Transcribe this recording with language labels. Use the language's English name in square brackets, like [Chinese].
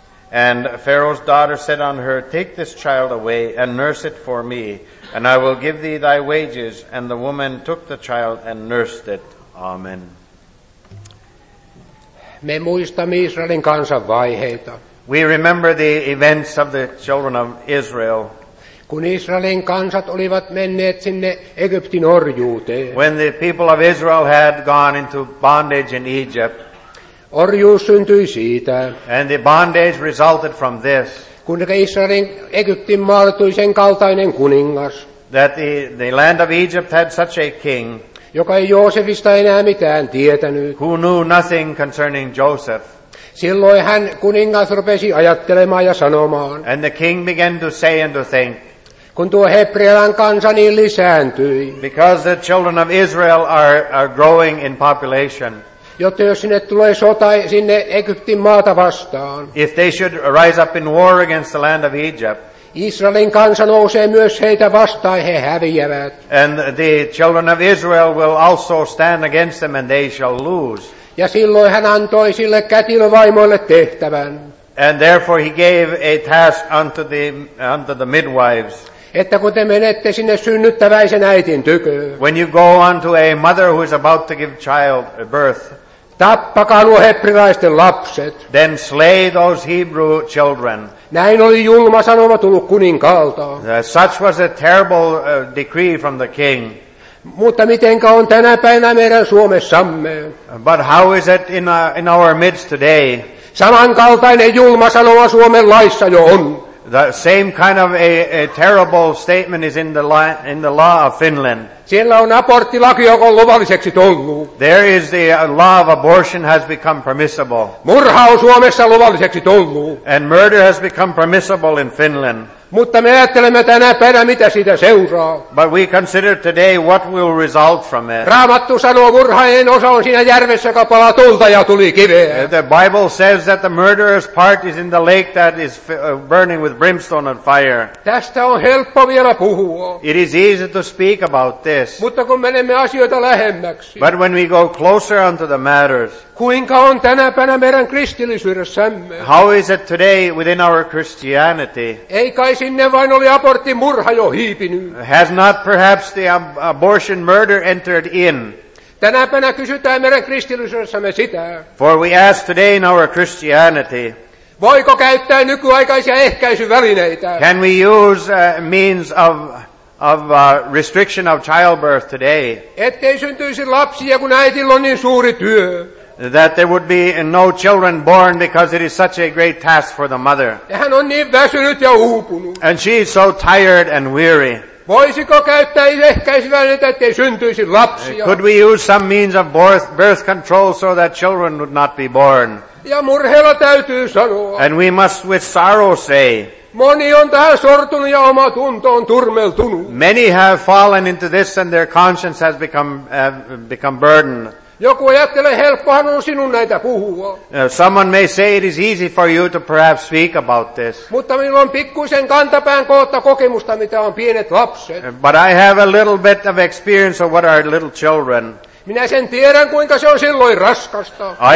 [English] And Pharaoh's daughter said unto her, "Take this child away and nurse it for me, and I will give thee thy wages." And the woman took the child and nursed it. Amen. [Finnish] Me muistamme Israelin kansan vaiheita. [English] We remember the events of the children of Israel. [Finnish] Kun Israelin kansat olivat menneet sinne Egyptin orjuuteen. [English] When the people of Israel had gone into bondage in Egypt. [Finnish] Orjuus syntyi siitä. [English] And the bondage resulted from this. [Finnish] Kun Israelin Egyptin maalle tuli sen kaltainen kuningas. [English] That the land of Egypt had such a king. [Finnish] Joka ei Joosefista enää mitään tietänyt. [English] Who knew nothing concerning Joseph. [Finnish] Silloin hän kuningas rupesi ajattelemaan ja sanomaan. [English] And the king began to say and to think. [Finnish] Kun tuo Hebrean kansa niin lisääntyi. [English] Because the children of Israel are growing in population. [Finnish] Jotta jos sinne tulee sota sinne Egyptin maata vastaan. [English] If they should rise up in war against the land of Egypt. [Finnish] Israelin kansa nousee myös heitä vastaan, he häviävät. [English] And the children of Israel will also stand against them and they shall lose. [Finnish] Ja silloin hän antoi sille kätilövaimoille tehtävän. [English] And therefore he gave a task unto the midwives. [Finnish] Että kun te menette sinne synnyttäväisen äitin tykö. [English] When you go unto a mother who is about to give child birth. [Finnish] Tappakaa nuo hebrilaisten lapset. [English] Then slay those Hebrew children. [Finnish] Näin oli julma sanoma tullut kuninkaalta. [English] Such was a terrible decree from the king. [Finnish] Mutta mitenkä on tänä päivänä meidän Suomessamme? [English] But how is it in our midst today? [Finnish] Samankaltainen julma sanoma Suomen laissa jo on. [English] The same kind of a terrible statement is in the law of Finland. [Finnish] Siellä on aborttilaki, joka on luvalliseksi tullut. [English] There is the law of abortion has become permissible. [Finnish] Murha on Suomessa luvalliseksi tullut. [English] And murder has become permissible in Finland. [Finnish] Mutta me ajattelemme tänä päivänä, mitä siitä seuraa. [English] But we consider today what will result from it. [Finnish] Raamattu sanoo, murhaajien osa on siinä järvessä, joka palaa tulta ja tuli kiveä. [English] The Bible says that the murderer's part is in the lake that is burning with brimstone and fire. [Finnish] Tästä on helppo vielä puhua. [English] It is easy to speak about this. [Finnish] Mutta kun menemme asioita lähemmäksi. [English] But when we go closer unto the matters. [Finnish] Kuinka on tänä päivänä meidän kristillisyydessämme? [English] How is it today within our Christianity? [Finnish] Ei kai sinne vain oli abortti murha jo hiipinyt. [English] Has not perhaps the abortion murder entered in? [Finnish] Tänä päivänä kysytään meidän kristillisyydessämme sitä. [English] For we ask today in our Christianity. [Finnish] Voiko käyttää nykyaikaisia ehkäisyvälineitä? [English] Can we use means of restriction of childbirth today? [Finnish] Ettei syntyisi lapsia, kun äitillä on niin suuri työ. [English] That there would be no children born because it is such a great task for the mother. [Finnish] Hän on niin väsynyt ja uupunut. [English] And she is so tired and weary. [Finnish] Voisiko käyttää ehkäisyvälineitä, ettei syntyisi lapsia? [English] Could we use some means of birth control so that children would not be born? [Finnish] Ja murheella täytyy sanoa. [English] And we must with sorrow say. [Finnish] Moni on tähän sortunut ja oma tunto on turmeltunut. [English] Many have fallen into this and their conscience has become burdened. [Finnish] Joku ajattelee, helppohan on sinun näitä puhua. [English] Someone may say it is easy for you to perhaps speak about this. [Finnish] Mutta minulla on pikkuisen kantapään kootta kokemusta, mitä on pienet lapset. [English] But I have a little bit of experience of what are little children. [Finnish] Minä sen tiedän, kuinka se on silloin raskasta.